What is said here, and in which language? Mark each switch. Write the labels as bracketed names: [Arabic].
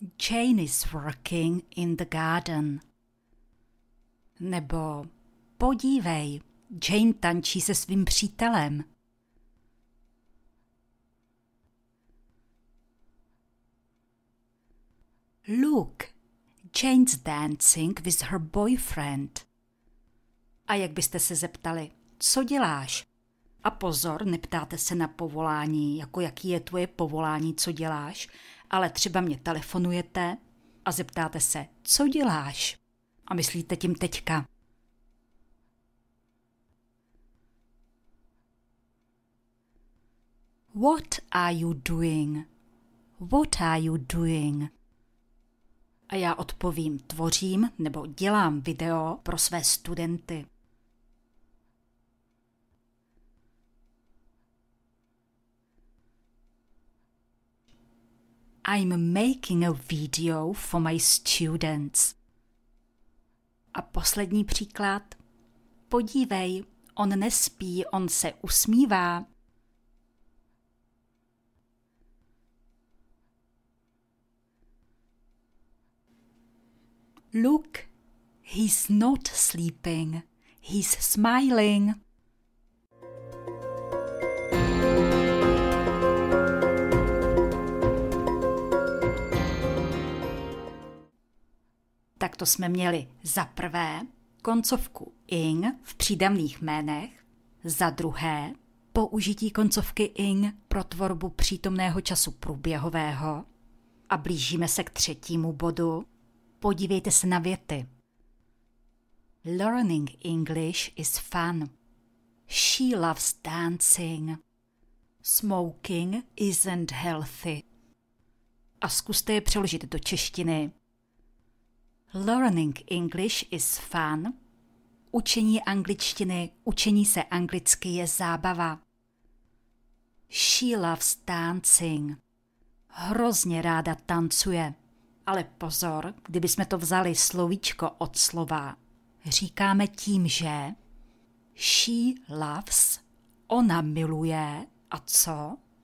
[English] Jane is working in the garden. [Czech] Nebo podívej, Jane tančí se svým přítelem. [English] Look, Jane's dancing with her boyfriend. [Czech] A jak byste se zeptali, co děláš? A pozor, neptáte se na povolání, jako jaký je tvoje povolání, co děláš, ale třeba mě telefonujete a zeptáte se, co děláš? A myslíte tím teďka. [English] What are you doing? What are you doing? [Czech] A já odpovím, tvořím nebo dělám video pro své studenty. [English] I'm making a video for my students. [Czech] A poslední příklad. Podívej, on nespí, on se usmívá. [English] Look, he's not sleeping, he's smiling. [Czech] Tak to jsme měli za prvé koncovku ing v přídavných jménech, za druhé použití koncovky ing pro tvorbu přítomného času průběhového a blížíme se k třetímu bodu. Podívejte se na věty. [English] Learning English is fun. She loves dancing. Smoking isn't healthy. [Czech] A zkuste je přeložit do češtiny. [English] Learning English is fun. [Czech] Učení angličtiny, učení se anglicky je zábava. [English] She loves dancing. [Czech] Hrozně ráda tancuje. Ale pozor, kdybychom to vzali slovíčko od slova, říkáme tím, že [English] she loves, [Czech] ona miluje, a co?